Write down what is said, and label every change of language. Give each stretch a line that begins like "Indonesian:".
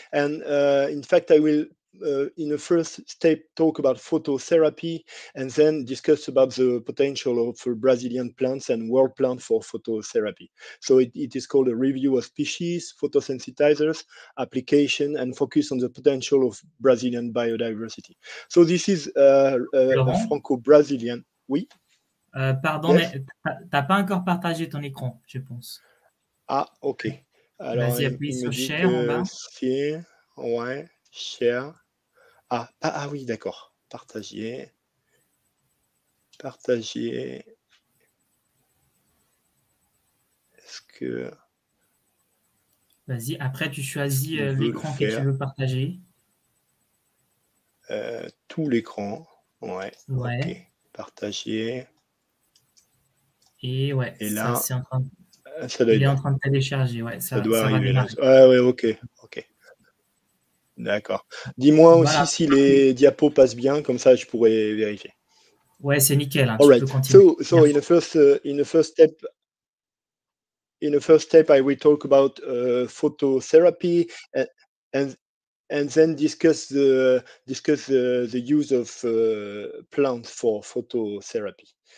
English: And in fact, I will in the first step talk about phototherapy, and then discuss about the potential of Brazilian plants and world plant for phototherapy. So it is called a review of species, photosensitizers, application, and focus on the potential of Brazilian biodiversity. So this is Laurent, a Franco-Brazilian.
French: Oui. Pardon,
English: yes?
French: Mais t'as pas encore partagé ton écran, je pense. Ah, ok. Alors, vas-y, appuie sur share en bas. Si, ouais, share. Ah oui, d'accord. Partager. Est-ce que... Vas-y, après tu choisis l'écran que tu veux partager. Tout l'écran, ouais. Ouais. Okay. Partager. Et ouais, et là, ça, c'est en train de... ça doit il est bien. En train de télécharger, ouais. Ça doit ça arriver. Ok. D'accord. Dis-moi aussi voilà. Si les diapos passent bien, comme ça je pourrais vérifier. Ouais, c'est nickel. Hein.
English: All right. So in the first step, I will talk about phototherapy and then discuss the use of plants for phototherapy.